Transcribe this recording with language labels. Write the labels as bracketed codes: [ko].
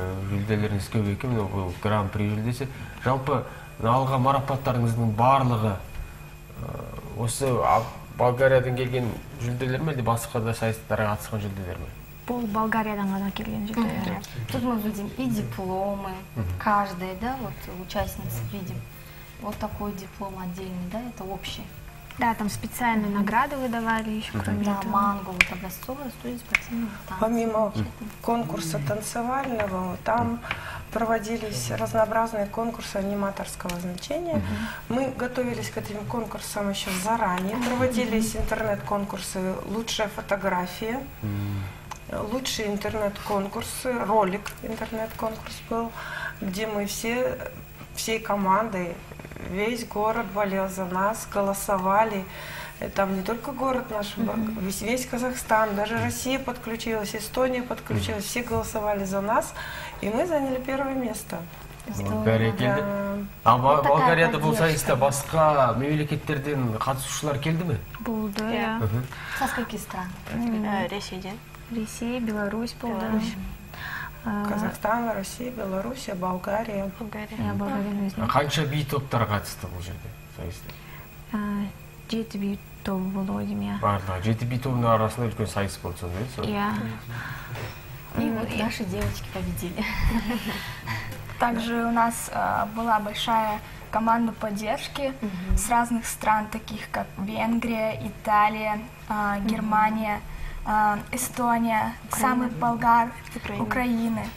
[kk] Жүлделеріңіз көп екен, бұл гран-при жүлдесі. Жалпы, алған марапаттарыңыздың барлығы осы Болгариядан келген жүлделер ме, әлде басқа да сайыстарға қатысқан жүлделер ме? Бұл Болгариядан ғана келген жүлделер. [ru] Тут мы видим и дипломы, каждая, да, вот участница видим. Вот такой диплом отдельный, да, это общий. Да, там специальные награды выдавали еще, кроме этого. Да, манго, вот образцовая студия спортивного танца. Помимо конкурса танцевального, там проводились разнообразные конкурсы аниматорского значения. Мы готовились к этим конкурсам еще заранее. Проводились интернет-конкурсы «Лучшая фотография», «Лучший интернет-конкурс», «Ролик интернет-конкурс» был, где мы всей командой, весь город болел за нас, голосовали. Там не только город наш, весь Казахстан, даже Россия подключилась, Эстония подключилась, все голосовали за нас, и мы заняли первое место. Да. [kk] А Болгарияда бұл сайыста басқа мемлекеттерден қатысушылар келді ме? Болды, иә. [ru] Со скольки стран? [kk] Ресейден. Ресей, Беларусь болды. [ru] Казахстан, Россия, Белоруссия, Болгария. Болгария. [kk] Қанша би топтар қатысты бұл жерде сайыста? 7 би топ болды ғой деймін, иә. Барлығы 7 би топтың арасында үлкен сайыс болды сонда, иә? Иә. [ru] И вот наши девочки победили. Также у нас была большая команда поддержки с разных стран, таких как Венгрия, Италия, Германия, Эстония, самый Болгар, Украины.